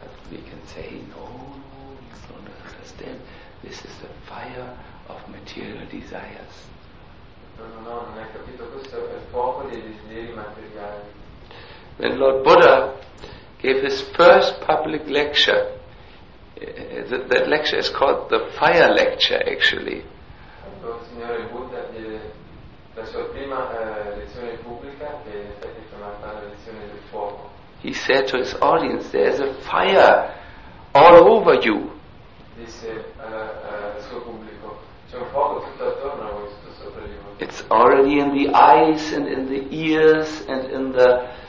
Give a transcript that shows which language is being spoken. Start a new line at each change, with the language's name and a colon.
English: we can say, no, you don't understand, this is the fire of material desires.
Italian: No, non hai capito, questo è il fuoco dei desideri materiali.
English: When Lord Buddha gave his first public lecture, that lecture is called the fire lecture, actually.
Italian: Quando il Signore Buddha diede la sua prima lezione pubblica, che in effetti è chiamata la lezione del fuoco,
English: he said to his audience, there is a fire all over you. It's already in the eyes and in the ears and in the